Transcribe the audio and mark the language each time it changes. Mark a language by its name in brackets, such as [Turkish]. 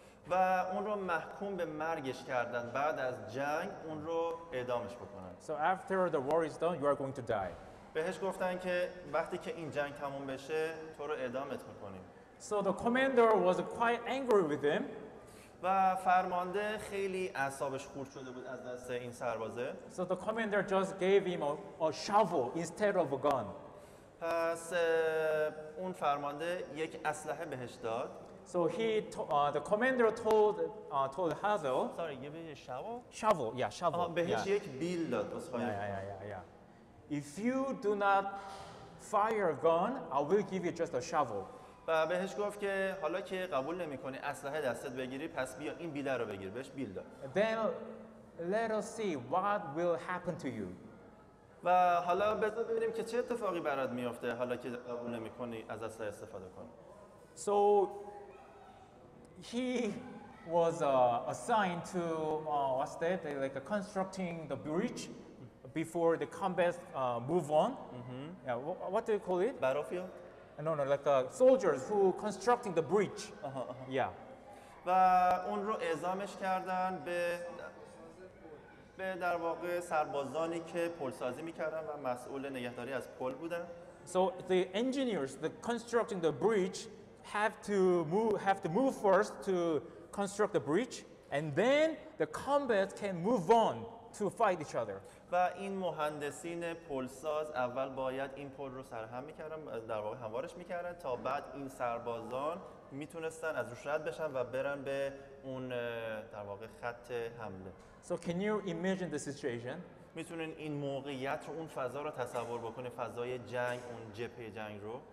[Persian] و اون رو محکوم به مرگش کردن بعد از جنگ اون رو اعدامش بکنن. [English] So after the war is done, you are going to die. [Persian] بهش گفتن که وقتی که این جنگ تموم بشه تو رو اعدامت میکنیم. [English] So the commander was quite angry with him. [Persian] و فرمانده خیلی اعصابش خرد شده بود از دست این سربازه. [English] So the commander just gave him a shovel instead of a gun. [Persian] پس اون فرمانده یک اسلحه بهش داد. [English] So he the commander told Hazel. Sorry, give me a shovel. Shovel, yeah, shovel. [Persian] بهش یک بیل داد. [English] Yeah. If you do not fire a gun, I will give you just a shovel. [Persian] و بهش گفت که حالا که قبول نمی‌کنی اسلحه دستت بگیری پس بیا این بیل رو بگیر. بهش بیل داد. [English] Then let us see what will happen to you. [Persian] و حالا بذار ببینیم که چه اتفاقی برات میفته حالا که قبول نمی‌کنی از اسلحه استفاده کنی. [English] So he was assigned to what's that? Like constructing the bridge before the combat move on. Mm-hmm. Yeah, what do you call it? Battlefield. No, like soldiers who constructing the bridge. Uh-huh, uh-huh. Yeah. [Persian] و اون رو اعزامش کردن به در واقع سربازانی که پل سازی میکردن و مسئول نگهداری از پل بودن. [English] So the engineers, the constructing the bridge, have to move first to construct the bridge, and then the combat can move on to fight each other. [Persian] و این مهندسین پلساز اول باید این پل رو سرهم می‌کردن، در واقع هموارش می‌کردن تا بعد این سربازان میتونستن از روش رد بشن و برن به اون در واقع خط حمله. [English] So can you imagine the situation? [Persian] میتونین این موقعیت رو، اون فضا رو تصور بکنه، فضای جنگ، اون جبهه جنگ رو.